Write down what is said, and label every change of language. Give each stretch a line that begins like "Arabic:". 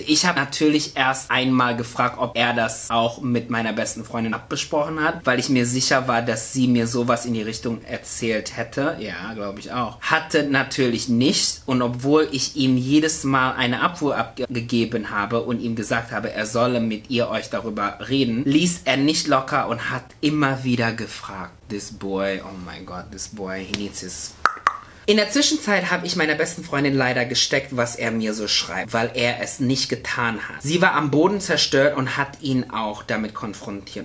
German: Ich habe natürlich erst einmal gefragt, ob er das auch mit meiner besten Freundin abgesprochen hat, weil ich mir sicher war, dass sie mir sowas in die Richtung erzählt hätte. Ja, glaube ich auch. Hatte natürlich nicht und obwohl ich ihm jedes Mal eine Abfuhr abgegeben habe und ihm gesagt habe, er solle mit ihr euch darüber reden, ließ er nicht locker und hat immer wieder gefragt.
English: This boy, oh my God, this boy, he needs his...
German: In der Zwischenzeit habe ich meiner besten Freundin leider gesteckt, was er mir so schreibt, weil er es nicht getan hat. Sie war am Boden zerstört und hat ihn auch damit konfrontiert.